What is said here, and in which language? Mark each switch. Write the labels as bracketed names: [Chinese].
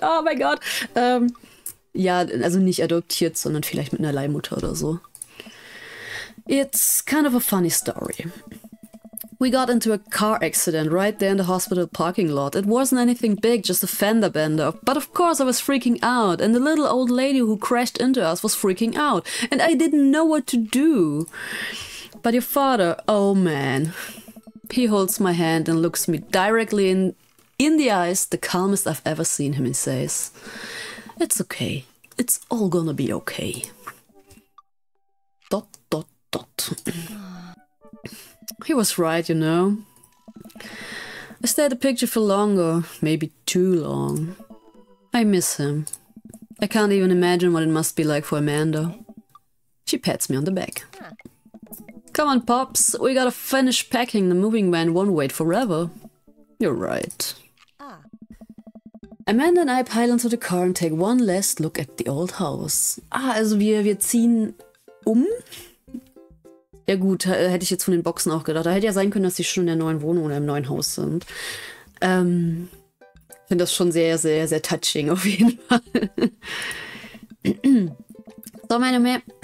[German] Oh mein Gott. Ja, also nicht adoptiert, sondern vielleicht mit einer Leihmutter oder so. [English] It's kind of a funny story. We got into a car accident right there in the hospital parking lot. It wasn't anything big, just a fender bender. But of course I was freaking out, and the little old lady who crashed into us was freaking out, and I didn't know what to do. But your father, oh man. He holds my hand and looks me directly in the eyes, the calmest I've ever seen him, and says, "It's okay. It's all gonna be okay." Dot, dot, dot. He was right, you know. I stared at the picture for longer, maybe too long. I miss him. I can't even imagine what it must be like for Amanda. She pats me on the back. "Come on, Pops, we gotta finish packing. The moving van won't wait forever." "You're right." Amanda and I pile into the car and take one last look at the old house. [German] Ah, also wir ziehen um? Ja gut, hätte ich jetzt von den Boxen auch gedacht. Da hätte ja sein können, dass sie schon in der neuen Wohnung oder im neuen Haus sind. Finde das schon sehr, sehr, sehr touching auf jeden Fall. So, meine Mä...